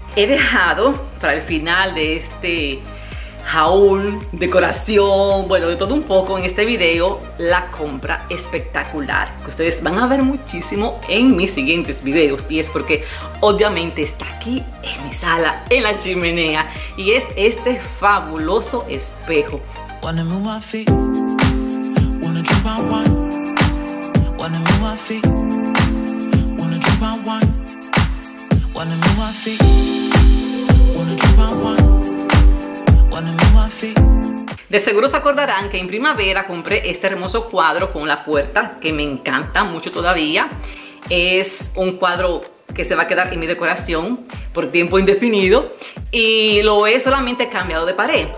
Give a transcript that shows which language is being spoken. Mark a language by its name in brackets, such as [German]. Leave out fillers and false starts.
[Spanish] He dejado para el final de este haul, decoración, bueno, de todo un poco en este video, la compra espectacular. Que ustedes van a ver muchísimo en mis siguientes videos. Y es porque obviamente está aquí en mi sala, en la chimenea. Y es este fabuloso espejo. [English] Wanna move my feet, wanna drop my one. Wanna move my feet, wanna drop my one. Wanna move my feet, wanna drop my one. Wanna move my feet. [Spanish] De seguro se acordarán que en primavera compré este hermoso cuadro con la puerta que me encanta mucho todavía. Es un cuadro que se va a quedar en mi decoración por tiempo indefinido y lo he solamente cambiado de pared.